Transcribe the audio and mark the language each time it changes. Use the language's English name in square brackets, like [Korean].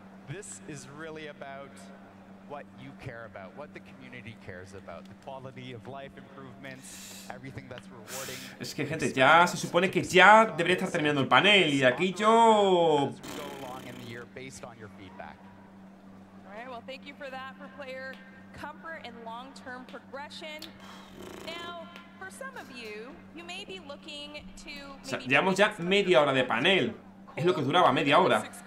[English] This is really about what you care about, what the community cares about, the quality of life improvements, everything that's rewarding. [Spanish] Es que gente, ya se supone que ya debería estar terminando el panel y aquí yo. [English] Alright, well, thank you for that, for player comfort and long-term progression. Now, for some of you, you may be looking to. [Spanish] O sea, llevamos ya media hora de panel. Es lo que duraba media hora.